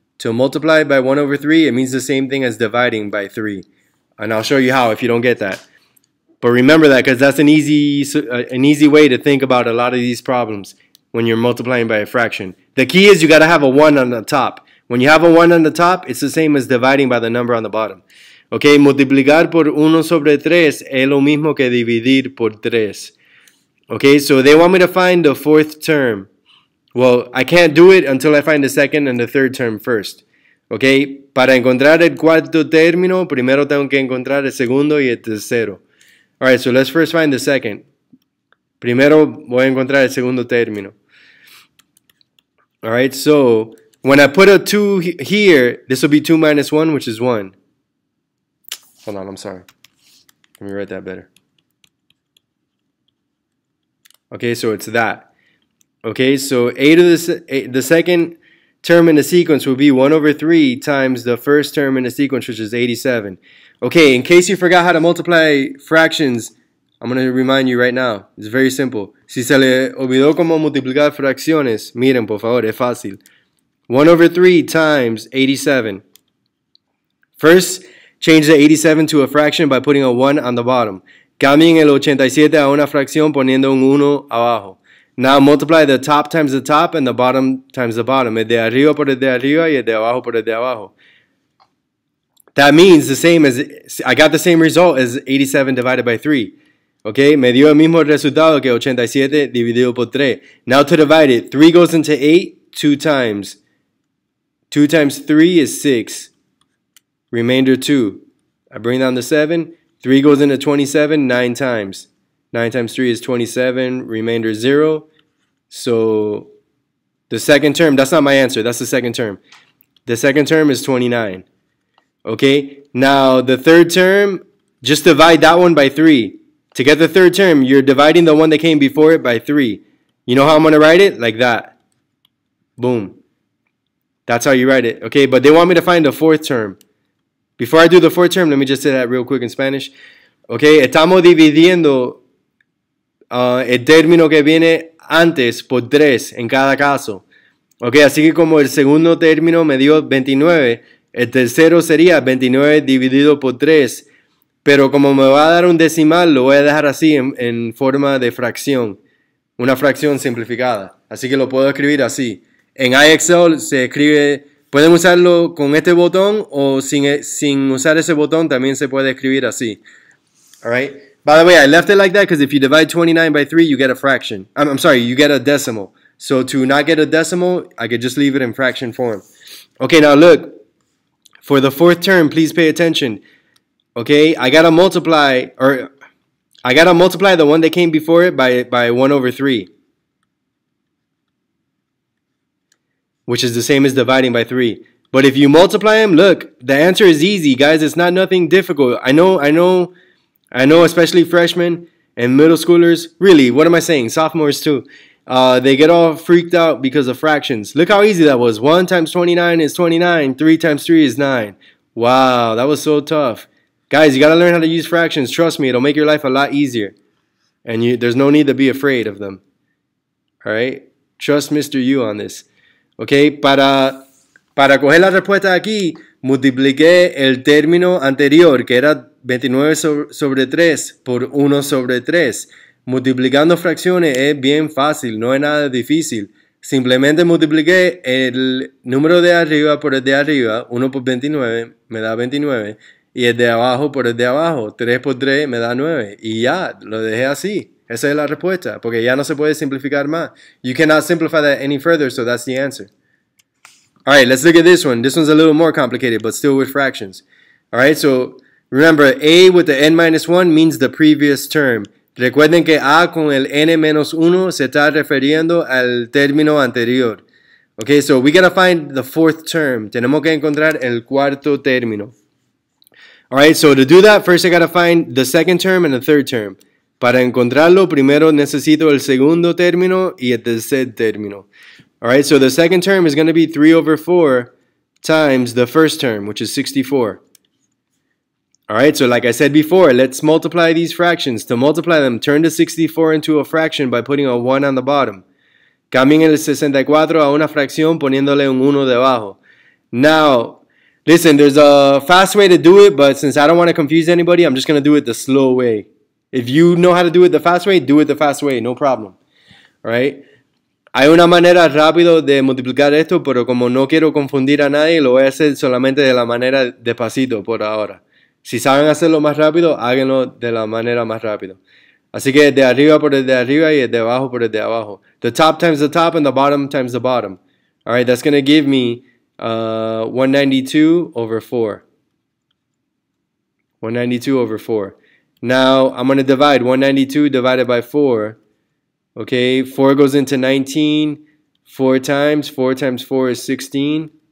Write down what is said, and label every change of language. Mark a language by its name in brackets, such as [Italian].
[English] To multiply by 1 over 3, it means the same thing as dividing by 3. And I'll show you how if you don't get that. But remember that because that's an easy way to think about a lot of these problems when you're multiplying by a fraction. The key is you got to have a 1 on the top. When you have a 1 on the top, it's the same as dividing by the number on the bottom. [Spanish] Okay, multiplicar por 1 sobre 3 es lo mismo que dividir por 3. [English] Okay, so they want me to find the fourth term. Well, I can't do it until I find the second and the third term first. [Spanish] Okay, para encontrar el cuarto término, primero tengo que encontrar el segundo y el tercero. [English] All right, so let's first find the second. [Spanish] Primero voy a encontrar el segundo término. [English] All right, so when I put a 2 here, this will be 2 minus 1, which is 1. Hold on, I'm sorry. Let me write that better. Okay, so it's that. Okay, so the second term in the sequence will be 1 over 3 times the first term in the sequence, which is 87. Okay, in case you forgot how to multiply fractions, I'm going to remind you right now. It's very simple. [Spanish] Si se le olvidó cómo multiplicar fracciones, miren, por favor, es fácil. [English] 1 over 3 times 87. First, change the 87 to a fraction by putting a 1 on the bottom. [Spanish] Cambien el 87 a una fracción poniendo un 1 abajo. [English] Now multiply the top times the top and the bottom times the bottom. [Spanish] El de arriba por el de arriba y el de abajo por el de abajo. [English] That means the same as, I got the same result as 87 divided by 3. [Spanish] Okay, me dio el mismo resultado que 87 dividido por 3. [English] Now to divide it, 3 goes into 8 2 times. 2 times 3 is 6. Remainder 2. I bring down the 7. 3 goes into 27 9 times. 9 times 3 is 27. Remainder 0. So the second term, that's not my answer. That's the second term. The second term is 29. Okay. Now the third term, just divide that one by 3. To get the third term, you're dividing the one that came before it by 3. You know how I'm going to write it? Like that. Boom. That's how you write it. Okay. But they want me to find the fourth term. Before I do the fourth term, let me just say that real quick in Spanish. [Spanish] Okay, estamos dividiendo el término que viene antes por 3 en cada caso. Okay, así que como el segundo término me dio 29, el tercero sería 29 dividido por 3. Pero como me va a dar un decimal, lo voy a dejar así en forma de fracción. Una fracción simplificada. Así que lo puedo escribir así. En IXL se escribe... Pueden usarlo con este botón o sin usar ese botón, también se puede escribir así. [English] All right. By the way, I left it like that because if you divide 29 by 3, you get a fraction. I'm sorry, you get a decimal. So to not get a decimal, I could just leave it in fraction form. Okay, now look. For the fourth term, please pay attention. Okay, I got to multiply the one that came before it by 1 over 3. Which is the same as dividing by 3. But if you multiply them, look, the answer is easy, guys. It's not nothing difficult. I know, especially freshmen and middle schoolers. Really, what am I saying? Sophomores, too. They get all freaked out because of fractions. Look how easy that was. 1 times 29 is 29. 3 times 3 is 9. Wow, that was so tough. Guys, you got to learn how to use fractions. Trust me, it'll make your life a lot easier. And there's no need to be afraid of them. All right? Trust Mr. U on this. [Spanish] Okay, para coger la respuesta aquí, multipliqué el término anterior, que era 29 sobre 3, por 1 sobre 3. Multiplicando fracciones es bien fácil, no es nada difícil. Simplemente multipliqué el número de arriba por el de arriba. 1 por 29 me da 29. Y el de abajo por el de abajo. 3 por 3 me da 9. Y ya, lo dejé así. Esa es la respuesta. Porque ya no se puede simplificar más. [English] You cannot simplify that any further, so that's the answer. All right, let's look at this one. This one's a little more complicated, but still with fractions. All right, so remember, A with the N minus 1 means the previous term. [Spanish] Recuerden que A con el N menos 1 se está refiriendo al término anterior. [English] Okay, so we gotta find the fourth term. [Spanish] Tenemos que encontrar el cuarto término. [English] All right, so to do that, first I gotta find the second term and the third term. [Spanish] Para encontrarlo, primero necesito el segundo término y el tercer término. [English] All right, so the second term is gonna be 3 over 4 times the first term, which is 64. All right, so like I said before, let's multiply these fractions. To multiply them, turn the 64 into a fraction by putting a 1 on the bottom. [Spanish] Cambien el 64 a una fracción poniéndole un 1 debajo. [English] Now, listen, there's a fast way to do it, but since I don't want to confuse anybody, I'm just going to do it the slow way. If you know how to do it the fast way, do it the fast way, no problem. All right? [Spanish] Hay una manera rápida de multiplicar esto, pero como no quiero confundir a nadie, lo voy a hacer solamente de la manera despacito por ahora. Si saben hacerlo más rápido, háganlo de la manera más rápido. Así que de arriba por el de arriba y de abajo por el de abajo. [English] The top times the top and the bottom times the bottom. All right, that's going to give me 192 over 4. 192 over 4. Now, I'm going to divide 192 divided by 4. Okay, 4 goes into 19. 4 times, 4 times 4 is 16.